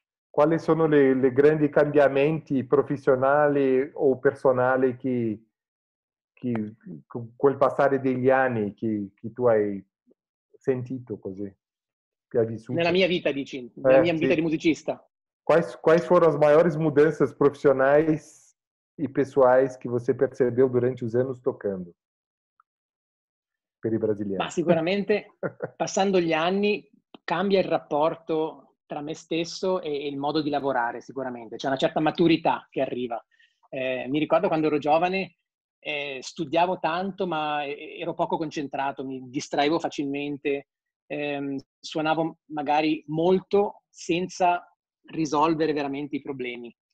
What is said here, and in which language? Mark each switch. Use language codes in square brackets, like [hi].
[it] Quali sono le grandi cambiamenti professionali o personali che col passare degli anni che tu hai sentito così? Che hai vissuto? Nella mia vita, dici? Nella mia vita di musicista? [pt] Quais foram as maiores mudanças profissionais e pessoais che você percebeu durante os anos tocando [it] per i brasiliani? Ma sicuramente, passando gli anni, cambia il rapporto tra me stesso e il modo di lavorare, sicuramente. C'è una certa maturità che arriva. Mi ricordo quando ero giovane, studiavo tanto, ma ero poco concentrato, mi distraevo facilmente, suonavo magari molto senza risolvere veramente i problemi.